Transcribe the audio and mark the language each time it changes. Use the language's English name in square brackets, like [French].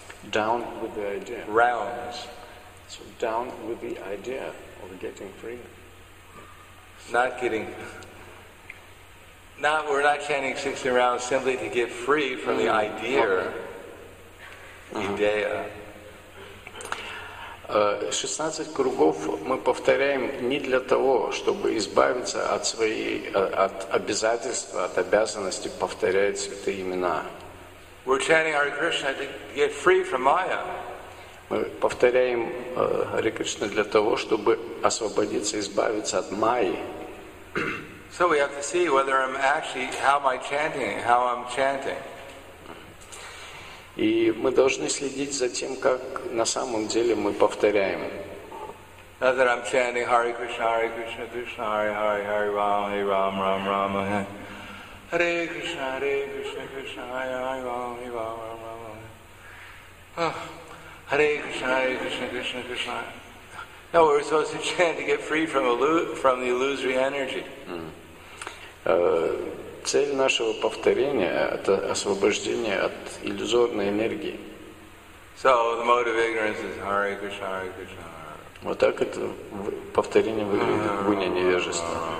[English] Down with the idea. Rounds. So down with the idea of getting free. We're not chanting 16 rounds simply to get free from the idea. Okay. Idea. Mm-hmm. [Russian] 16 кругов мы повторяем не для того, чтобы избавиться от своей от обязательства, от обязанности повторять святые имена. [English] We're chanting Hare Krishna to get free from Maya. [Russian] Мы повторяем Hare Krishna для того, чтобы освободиться, избавиться от Майи. [English] So we have to see whether I'm actually how am I chanting, how I'm chanting. [Russian] И мы должны следить за тем, как на самом деле мы повторяем. [Sanskrit] Not that I'm chanting Hare Krishna, Hare Krishna, Krishna, Hare Hare, Hare Ram, Hare Ram, Ram Ram, Hare Krishna, Hare Krishna, Krishna, Hare Hare, Ram, Ram, Ram, Ram. Hare Krishna, Hare Krishna, Krishna, Krishna. [English] No, we're supposed to chant to get free from the illusory energy. [Russian] Цель нашего повторения – это освобождение от иллюзорной энергии. [English] So, the mode of ignorance is Hare Krishna, Hare Krishna. [Russian] Вот так это повторение выглядит в гуне невежества.